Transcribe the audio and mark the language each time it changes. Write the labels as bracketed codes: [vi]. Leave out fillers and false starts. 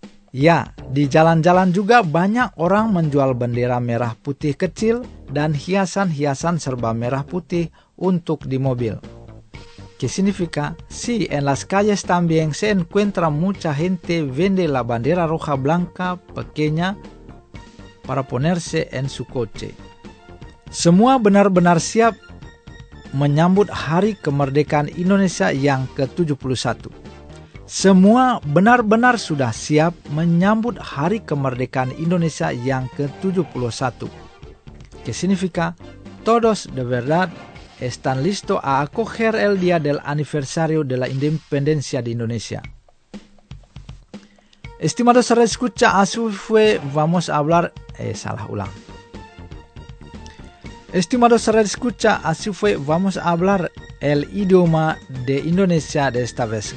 [id] Ya, di jalan-jalan juga banyak orang menjual bendera merah putih kecil dan hiasan-hiasan serba merah putih untuk di mobil. [es] ¿Qué significa? Sí, en las calles también se encuentra mucha gente vende la bandera roja blanca pequeña para ponerse en su coche. [id] Semua benar-benar siap menyambut Hari Kemerdekaan Indonesia yang ke-71. Semua benar-benar sudah siap menyambut Hari Kemerdekaan Indonesia yang ke-71. [es] ¿Qué significa? Todos de verdad están listo a acoger el día del aniversario de la independencia de Indonesia. Estimados escucha, así fue, vamos a hablar el idioma de Indonesia de esta vez.